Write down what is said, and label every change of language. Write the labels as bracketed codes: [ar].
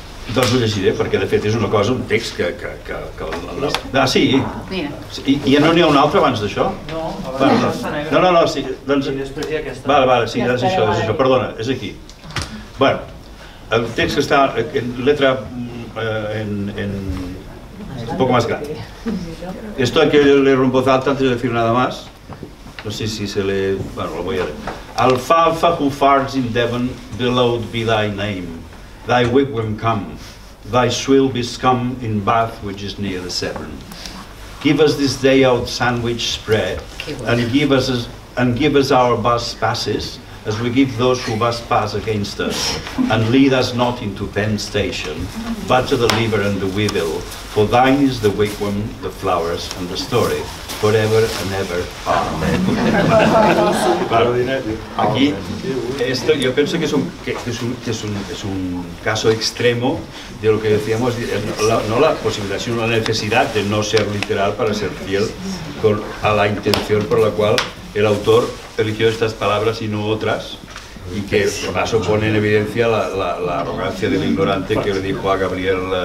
[ca] Doncs ho llegiré, perquè de fet és una cosa, un text que... Ah, sí! I no n'hi ha un altre abans d'això? No, sí, doncs... Vale, és això. Perdona, és aquí. Bueno, el text que està en letra... un poc més gran. [es] Esto hay que leerlo en voz alta antes de decir nada más. No sé si se lee... Bueno, lo voy a leer. [en] Alfalfa who farts in Devon, beloved be thy name. Thy wigwam come, thy swill be scum in Bath, which is near the Severn. Give us this day our sandwich spread, and give us our bus passes, as we give those who bus pass against us, and lead us not into Penn Station, but to the liver and the weevil, for thine is the wigwam, the flowers, and the story, forever and ever. Amen. [es] Aquí, esto, yo pienso que es un caso extremo de lo que decíamos, no la posibilidad, sino la necesidad de no ser literal para ser fiel a la intención por la cual el autor eligió estas palabras y no otras, y que eso pone en evidencia la arrogancia del ignorante que le dijo a Gabriel...